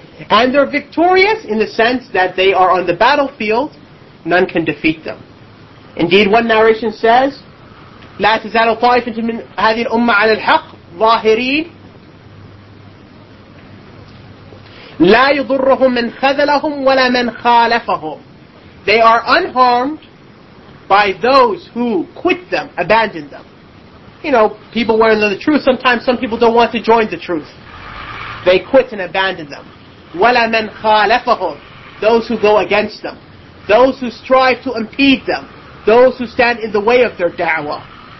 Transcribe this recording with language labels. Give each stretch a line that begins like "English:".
English: And they're victorious in the sense that they are on the battlefield, none can defeat them. Indeed, one narration says,
Arabic: لا تزال طائفة من هذه الأمة على الحق ظاهرين لا يضرهم من خذلهم ولا من خالفهم.
English: They are unharmed by those who quit them, abandon them. You know, people want to know the truth. Sometimes some people don't want to join the truth. They quit and abandon them.
Arabic: وَلَا مَنْ خَالَفَهُمْ
English: Those who go against them. Those who strive to impede them. Those who stand in the way of their da'wah.